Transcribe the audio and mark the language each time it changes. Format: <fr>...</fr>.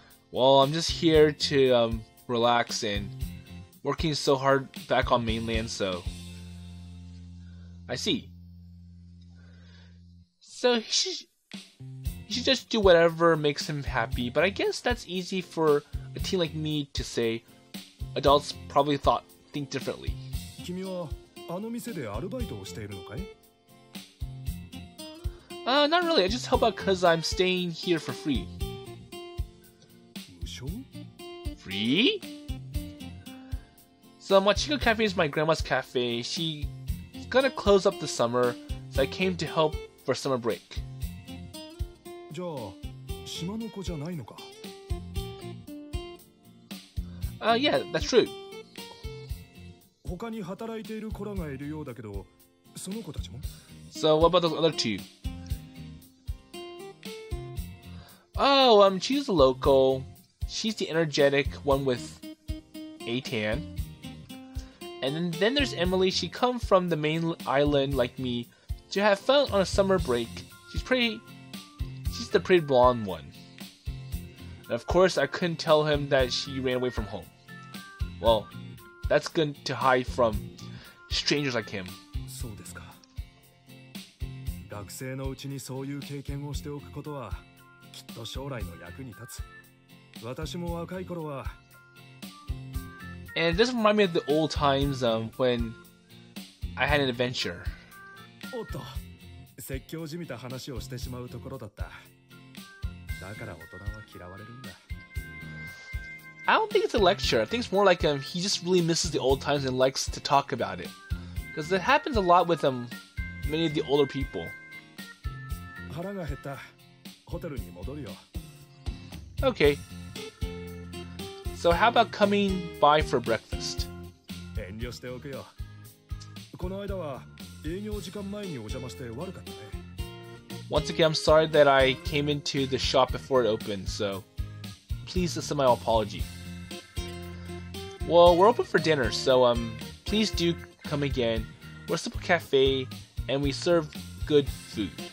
<en>Well, I'm just here to relax and working so hard back on mainland, so I see. So he should just do whatever makes him happy, but I guess that's easy for a teen like me to say, adults probably thought, think differently.</en> <ja>君はあの店でアルバイトをしているのかい?</ja> <en>Not really. I just help out because I'm staying here for free.</en> <ja>無償?</ja> <en>Free? So Machiko Cafe is my grandma's cafe. She's gonna close up this summer, so I came to help for summer break.</en> <ja>じゃあ、島の子じゃないのか?</ja> <en>Yeah, that's true.</en> <ja>他に働いている子らがいるようだけど、その子たちも?</ja> <en>So what about those other two? She's a local. She's the energetic one with a tan. And then there's Emily. She come from the main island like me to have fun on a summer break. She's the pretty blonde one. And of course, I couldn't tell him that she ran away from home. Well, that's good to hide from strangers like him.</en> <ja>そうですか。学生のうちにそういう経験をしておくことはきっと将来の役に立つ。私も若い頃は。</ja> <en>And this reminds me of the old times when I had an adventure.</en> <ja>おっと、説教じみた話をしてしまうところだった。だから大人は嫌われるんだ。</ja> <en>I don't think it's a lecture. I think it's more like he just really misses the old times and likes to talk about it. Because it happens a lot with many of the older people.</en> <ja>腹が減った。ホテルに戻るよ。</ja> <en>Okay. So how about coming by for breakfast?</en> <ja>遠慮しておくよ。この間は営業時間前にお邪魔して悪かったね。</ja> <en>Once again, I'm sorry that I came into the shop before it opened, so... Please send my apology. Well, we're open for dinner, so please do come again. We're a simple cafe, and we serve good food.</en>